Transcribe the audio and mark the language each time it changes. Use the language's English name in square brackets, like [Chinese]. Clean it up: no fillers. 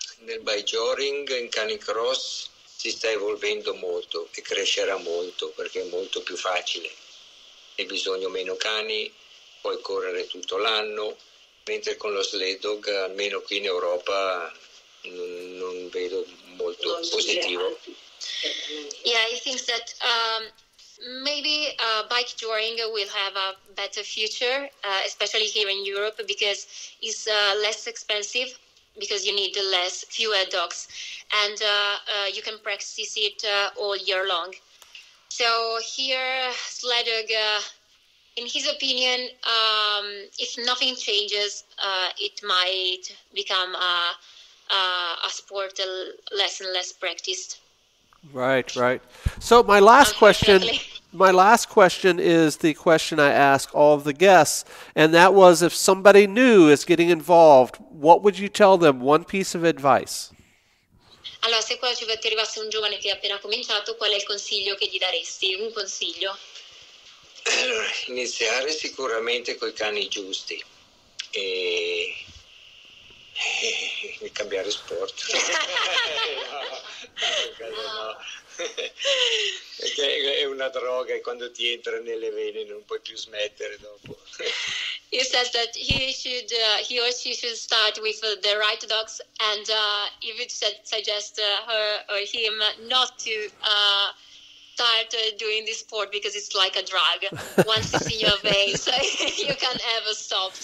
[Italian] Nel bajoring in canicross si sta evolvendo molto e crescerà molto perché è molto più facile. E bisogno meno cani, puoi correre tutto l'anno, mentre con lo sled dog, almeno qui in Europa, non vedo molto non positivo. [English] Yeah, he thinks that maybe bike touring will have a better future, especially here in Europe, because it's less expensive, because you need fewer dogs, and you can practice it all year long. So here, sled dog, in his opinion, if nothing changes, it might become a sport less and less practiced. Right, right. So my last question is the question I ask all of the guests, and that was, if somebody new is getting involved, what would you tell them? One piece of advice. [Italian] Allora, se qua ci arrivasse un giovane che ha appena cominciato, qual è il consiglio che gli daresti? Un consiglio? Iniziare sicuramente con i cani giusti e cambiare sport. No. Perché è una droga e quando ti entra nelle vene non puoi più smettere dopo. [English] He says that he or she should start with the right dogs, and he would suggest her or him not to start doing this sport because it's like a drug. Once it's in your veins, you can't ever stop.